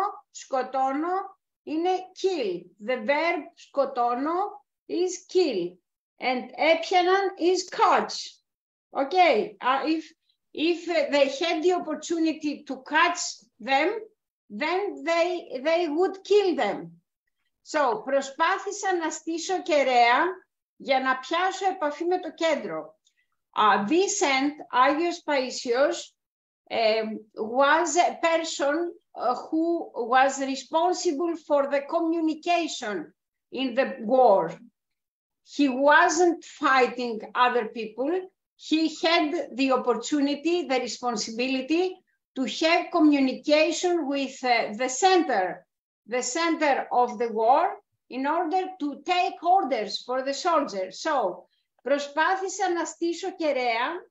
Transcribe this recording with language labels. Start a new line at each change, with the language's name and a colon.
Greek: Σκοτώνω είναι kill.
English: The verb σκοτώνω is kill. And έπιαναν is catch. Okay. If they had the opportunity to catch them, then they would kill them.
Greek: So, προσπάθησα να στήσω κεραία για να πιάσω επαφή με το κέντρο.
English: Vicent, Άγιος Παΐσιος, was a person who was responsible for the communication in the war. He wasn't fighting other people. He had the opportunity, the responsibility to have communication with the center of the war, in order to take orders for the soldiers.
Greek: So, προσπάθησα να στήσω κεραία.